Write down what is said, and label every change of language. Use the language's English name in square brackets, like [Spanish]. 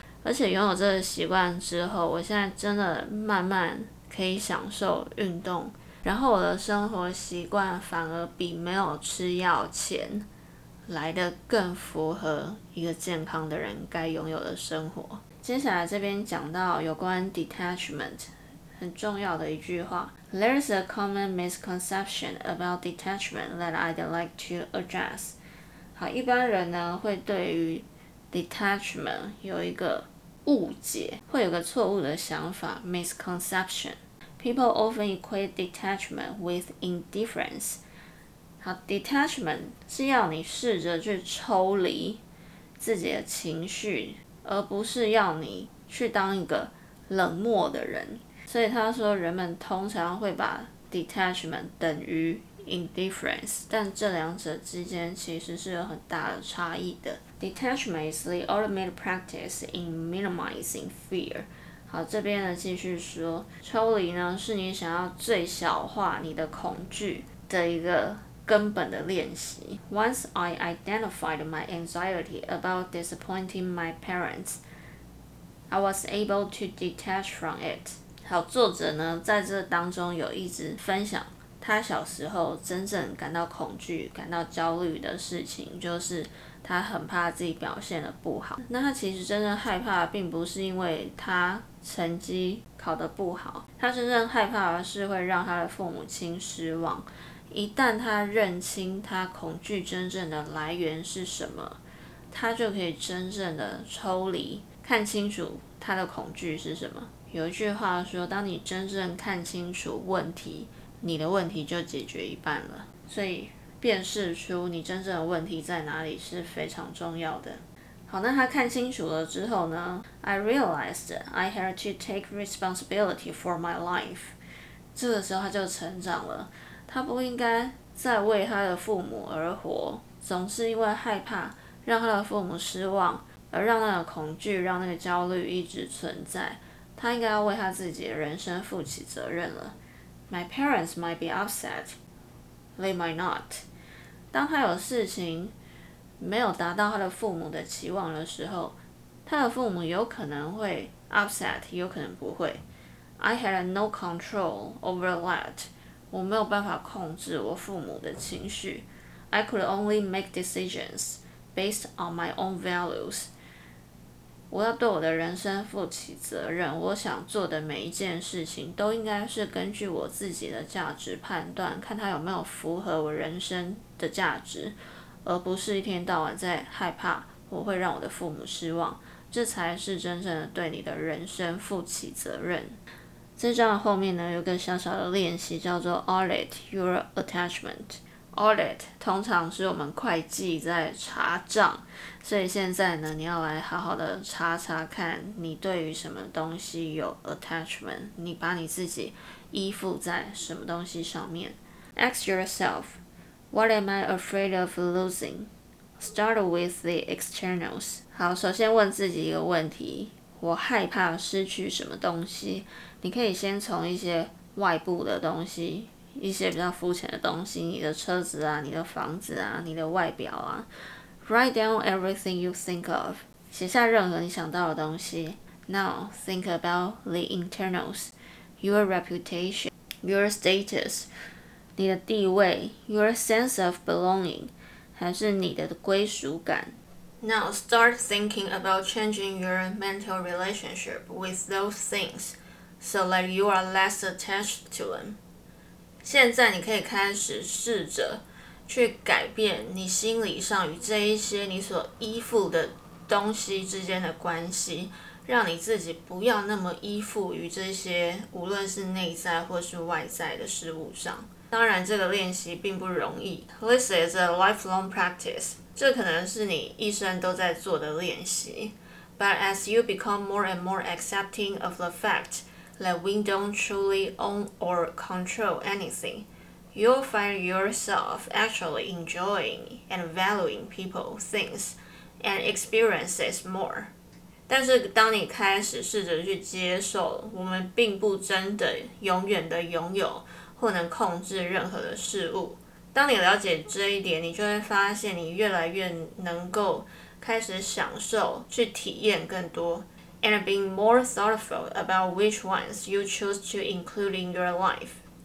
[Chinese] 而且拥有这个习惯之后，我现在真的慢慢可以享受运动，然后我的生活习惯反而比没有吃药前来得更符合一个健康的人该拥有的生活。接下来这边讲到有关 detachment 很重要的一句话， [English] There's a common misconception about detachment that I'd like to address. [Chinese] 好，一般人呢会对于detachment 有一个误解，会有个错误的想法 misconception. [English] People often equate detachment with indifference. [Chinese] 好， detachment 是要你试着去抽离自己的情绪，而不是要你去当一个冷漠的人。所以他说人们通常会把 detachment 等于 indifference， 但这两者之间其实是有很大的差异的。 [English] Detachment is the ultimate practice in minimizing fear. [Chinese] 好，这边呢继续说，抽离呢是你想要最小化你的恐惧的一个根本的练习。 [English] Once I identified my anxiety about disappointing my parents, I was able to detach from it. [Chinese] 好，作者呢在这当中有一直分享他小时候真正感到恐惧、感到焦虑的事情，就是他很怕自己表现得不好。那他其实真正害怕的并不是因为他成绩考得不好，他真正害怕的是会让他的父母亲失望。一旦他认清他恐惧真正的来源是什么，他就可以真正的抽离，看清楚他的恐惧是什么。有一句话说，当你真正看清楚问题，你的问题就解决一半了。所以辨识出你真正的问题在哪里是非常重要的。好，那他看清楚了之后呢， [English] I realized I had to take responsibility for my life. [Chinese] 这个时候他就成长了，他不应该再为他的父母而活，总是因为害怕让他的父母失望而让那个恐惧、让那个焦虑一直存在，他应该要为他自己的人生负起责任了。 [English] My parents might be upset. They might not. [Chinese] 当他有事情没有达到他的父母的期望的时候，他的父母有可能会 upset， 有可能不会。 [English] I had no control over that. [Chinese] 我没有办法控制我父母的情绪。 [English] I could only make decisions based on my own values. [Chinese] 我要对我的人生负起责任，我想做的每一件事情都应该是根据我自己的价值判断，看它有没有符合我人生的价值，而不是一天到晚在害怕我会让我的父母失望，这才是真正的对你的人生负起责任。这张后面呢有个小小的练习叫做 Audit Your Attachment。 Audit 通常是我们会计在查账，所以现在呢，你要来好好的查查看你对于什么东西有 attachment， 你把你自己依附在什么东西上面。 [English] Ask yourself, what am I afraid of losing? Start with the externals. [Chinese] 好，首先问自己一个问题，我害怕失去什么东西？你可以先从一些外部的东西，一些比较肤浅的东西，你的车子啊，你的房子啊，你的外表啊， [English] Write down everything you think of， [Chinese] 写下任何你想到的东西。 [English] Now think about the internals， Your reputation， Your status， [Chinese] 你的地位， [English] Your sense of belonging， [Chinese] 还是你的归属感。 [English] Now start thinking about changing your mental relationship with those things so that you are less attached to them。 [Chinese] 现在你可以开始试着去改变你心理上与这一些你所依附的东西之间的关系，让你自己不要那么依附于这些无论是内在或是外在的事物上。当然这个练习并不容易， [English] This is a lifelong practice， [Chinese] 这可能是你一生都在做的练习。 [English] But as you become more and more accepting of the factthat we don't truly own or control anything, you'll find yourself actually enjoying and valuing people, things, and experiences more. [Chinese] 但是当你开始试着去接受我们并不真的永远的拥有或能控制任何的事物，当你了解这一点，你就会发现你越来越能够开始享受去体验更多， [English] and being more thoughtful about which ones you choose to include in your life.